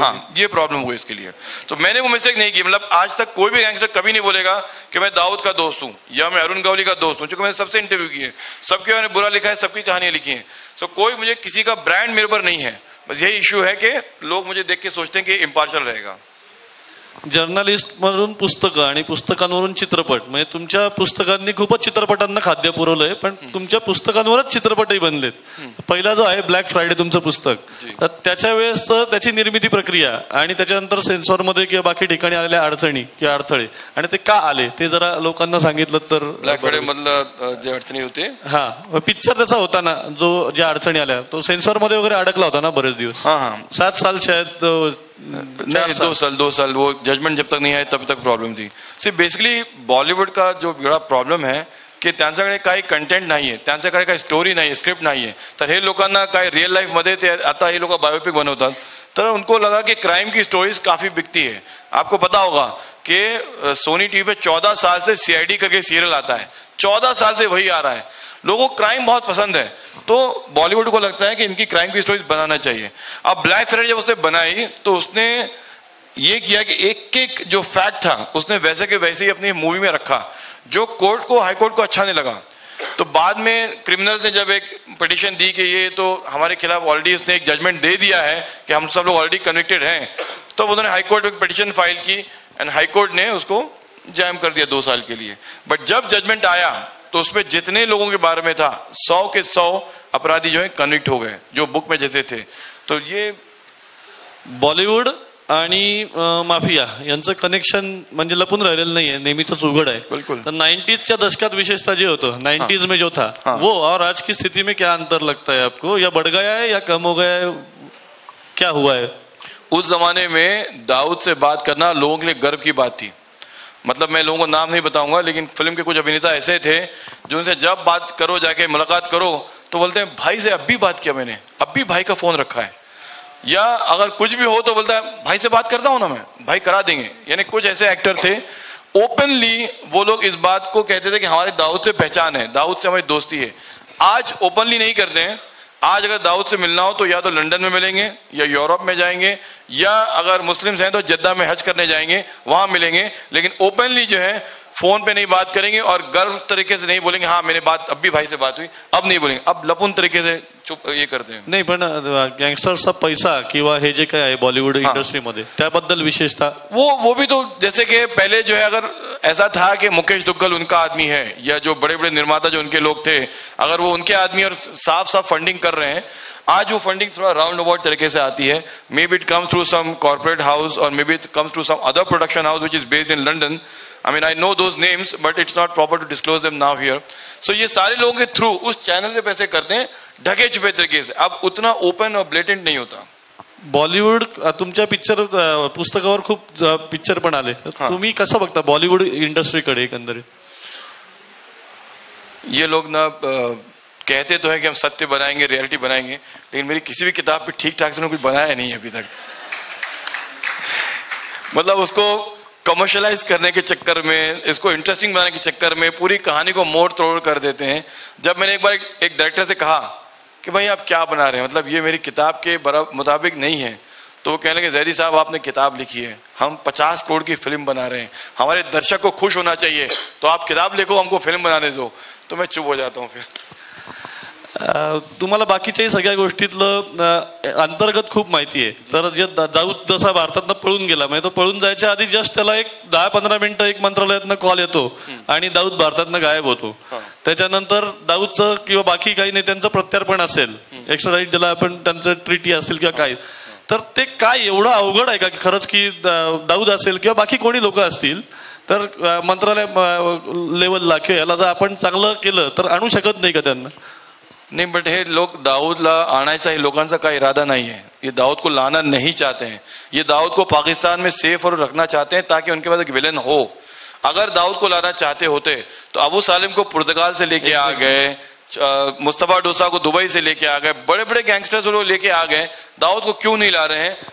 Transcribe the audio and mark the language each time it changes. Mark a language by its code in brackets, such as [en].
[hi] हाँ ये प्रॉब्लम हुई इसके लिए. तो मैंने वो मिस्टेक नहीं की. मतलब आज तक कोई भी गैंगस्टर कभी नहीं बोलेगा कि मैं दाऊद का दोस्त हूँ या मैं अरुण गावली का दोस्त हूँ क्योंकि मैंने सबसे इंटरव्यू किए सबके मैंने बुरा लिखा है सबकी कहानियां लिखी है. सो कोई मुझे किसी का ब्रांड मेरे पर नहीं है. बस यही इश्यू है कि लोग मुझे देख के सोचते हैं कि इम्पार्शियल रहेगा. [mr] जर्नलिस्ट मधून पुस्तक आणि पुस्तकांवरून चित्रपट म्हणजे तुमच्या पुस्तकांनी खूपच चित्रपटांना खाद्य पुरवलंय पण तुमच्या पुस्तकांवरच चित्रपटही बनलेत. पहिला जो आहे ब्लॅक फ्रायडे तुमचं पुस्तक त्याच्या वेळेस त्याची निर्मिती प्रक्रिया आणि त्याच्यानंतर सेन्सॉर मध्ये किंवा बाकी ठिकाणी आलेल्या अडचणी किंवा अडथळे आणि ते का आले ते जरा लोकांना सांगितलं तर. ब्लॅक फ्रायडे मधलं जे अडचणी होते हा पिक्चर त्याचा होता ना जो ज्या अडचणी आल्या तो सेन्सॉर मध्ये वगैरे अडकला होता ना बरेच दिवस [hi] 7 साल शायद दो साल वो जजमेंट जब तक नहीं आए तब तक प्रॉब्लम थी. सी बेसिकली बॉलीवुड का जो बड़ा प्रॉब्लम है कि [mr] त्यांच्याकडे काही कंटेंट नाही आहे त्यांच्याकडे काही स्टोरी नाही आहे स्क्रिप्ट नाही आहे तर हे लोकांना काही रिअल लाईफ मध्ये ते आता हे लोक बायोपिक बनवतात तर [hi] उनको लगा की क्राईम की स्टोरीज काफी बिकती है. आपको पता होगा कि सोनी टीवी पे 14 साल से CID करके सीरियल आता है 14 साल से वही आ रहा है. लोगों को क्राइम बहुत पसंद है तो बॉलीवुड को लगता है कि इनकी क्राइम की स्टोरीज बनाना चाहिए. अब ब्लैक फ्रेड जब उसने बनाई तो उसने ये किया कि एक एक जो फैक्ट था उसने वैसे के वैसे ही अपनी मूवी में रखा जो कोर्ट को हाईकोर्ट को अच्छा नहीं लगा. तो बाद में क्रिमिनल्स ने जब एक पिटीशन दी कि ये तो हमारे खिलाफ ऑलरेडी उसने एक जजमेंट दे दिया है कि हम सब लोग ऑलरेडी कन्विक्टेड हैं, तो उन्होंने हाईकोर्ट में पिटीशन फाइल की एंड हाईकोर्ट ने उसको जैम कर दिया 2 साल के लिए। बट जब जजमेंट आया तो उसमें जितने लोगों के बारे में था 100 के 100 अपराधी जो है कन्विक्ट हो गए जो बुक में जैसे थे। तो ये [mr] बॉलीवुड आणि माफिया यांचं कनेक्शन म्हणजे लपून राहिलेलं नाही आहे, नेहमीच उघड आहे। [hi] बिलकुल। [mr] तर 90s दशकात विशेषता जे होतं, [hi] 90s में जो था वो और आज की स्थिति में क्या अंतर लगता है आपको, या बढ़ गया है या कम हो गया है, क्या हुआ है? उस जमाने में दाऊद से बात करना लोगों के लिए गर्व की बात थी। मतलब मैं लोगों को नाम नहीं बताऊंगा, लेकिन फिल्म के कुछ अभिनेता ऐसे थे जो उनसे जब बात करो, जाके मुलाकात करो, तो बोलते हैं भाई से अब भी बात किया मैंने, अब भी भाई का फोन रखा है, या अगर कुछ भी हो तो बोलता है भाई से बात करता हूँ ना मैं, भाई करा देंगे। यानी कुछ ऐसे एक्टर थे ओपनली वो लोग इस बात को कहते थे कि हमारे दाऊद से पहचान है, दाऊद से हमारी दोस्ती है। आज ओपनली नहीं करते हैं। आज अगर दाऊद से मिलना हो तो या तो लंदन में मिलेंगे या यूरोप में जाएंगे, या अगर मुस्लिम्स हैं तो जद्दा में हज करने जाएंगे वहां मिलेंगे, लेकिन ओपनली जो है फोन पे नहीं बात करेंगे और गर्व तरीके से नहीं बोलेंगे हाँ मेरे बात अब भी भाई से बात हुई, अब नहीं बोलेंगे, अब लपुन तरीके से चुप ये करते हैं। [mr] नहीं पण गैंगस्टर सब पैसा किंवा हे जे काय आहे बॉलीवुड इंडस्ट्री मध्ये त्याबद्दल विशेषता [hi] वो भी तो जैसे कि पहले जो है अगर ऐसा था कि मुकेश दुग्गल उनका आदमी है या जो बड़े बड़े निर्माता जो उनके लोग थे अगर वो उनके आदमी और साफ साफ फंडिंग कर रहे हैं, आज वो फंडिंग थोड़ा राउंड अबाउट तरीके से आती है, [en] maybe it comes through some corporate house [hi] और [en] Maybe it comes through some other production house which is based in London. I mean, I know those names, but it's not proper to disclose them now here. [hi] So, ये सारे लोगों के through उस channel से पैसे करते हैं, ढके छुपे तरीके से, अब उतना open और blatant नहीं होता। [mr] Bollywood, तुमच्या पिक्चर पुस्तकावर खूप पिक्चर पण आले, तुम्ही कसं बघता बॉलिवूड इंडस्ट्री कडे एकंदर? [hi] ये लोग ना कहते तो है कि हम सत्य बनाएंगे, रियलिटी बनाएंगे, लेकिन मेरी किसी भी किताब पे ठीक ठाक से कुछ बनाया नहीं अभी तक। मतलब उसको कमर्शलाइज करने के चक्कर में, इसको इंटरेस्टिंग बनाने के चक्कर में पूरी कहानी को मोड़ तोड़ कर देते हैं। जब मैंने एक बार एक डायरेक्टर से कहा कि भाई आप क्या बना रहे हैं, मतलब ये मेरी किताब के मुताबिक नहीं है, तो वो कहने लगे जैदी साहब आपने किताब लिखी है, हम 50 करोड़ की फिल्म बना रहे हैं, हमारे दर्शक को खुश होना चाहिए, तो आप किताब लिखो हमको फिल्म बनाने दो, तो मैं चुप हो जाता हूँ फिर। [mr] तुम्हाला बाकीच्या सगळ्या गोष्टीतलं अंतर्गत खूप माहिती आहे, तर जे दाऊद जसा भारतातनं पळून गेला, म्हणजे तो पळून जायच्या आधी जस्ट त्याला एक 10-15 मिनिटं एक मंत्रालयातनं कॉल येतो आणि दाऊद भारतातनं गायब होतो, त्याच्यानंतर दाऊदचं किंवा बाकी काही नेत्यांचं प्रत्यार्पण असेल, एक्स्ट्राइट ज्याला आपण त्यांचं ट्रीटी असेल किंवा काय, तर ते काय एवढं अवघड आहे का खरंच की दाऊद असेल किंवा बाकी कोणी लोक असतील तर मंत्रालय लेवलला किंवा याला जर आपण चांगलं केलं तर आणू शकत नाही का त्यांना? [hi] नहीं, बट [mr] हे लोग दाऊदला आणायचा हे लोकांचा काही इरादा नाही [hi] है, ये दाऊद को लाना नहीं चाहते हैं, ये दाऊद को पाकिस्तान में सेफ और रखना चाहते हैं ताकि उनके पास एक विलन हो। अगर दाऊद को लाना चाहते होते तो अबू सालिम को पुर्तगाल से लेके आ गए, मुस्तफा डोसा को दुबई से लेके आ गए, बड़े बड़े गैंगस्टर्स को लेके आ गए, दाऊद को क्यों नहीं ला रहे हैं?